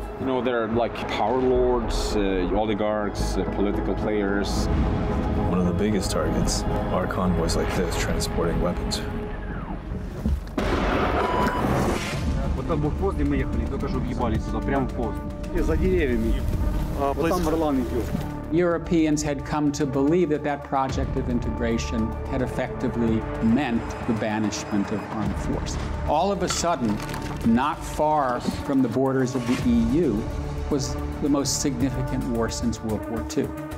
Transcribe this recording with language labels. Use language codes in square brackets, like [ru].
[en] You know, they're like power lords, oligarchs, political players. One of the biggest targets are convoys like this transporting weapons. [uk] Вот там був пост, де ми їхали, тільки що об'їбалися туди, прямо в пост. Ні, за деревами. Вот там орлан йде. [en] Europeans had come to believe that that project of integration had effectively meant the banishment of armed force. All of a sudden, not far from the borders of the EU, was the most significant war since World War II.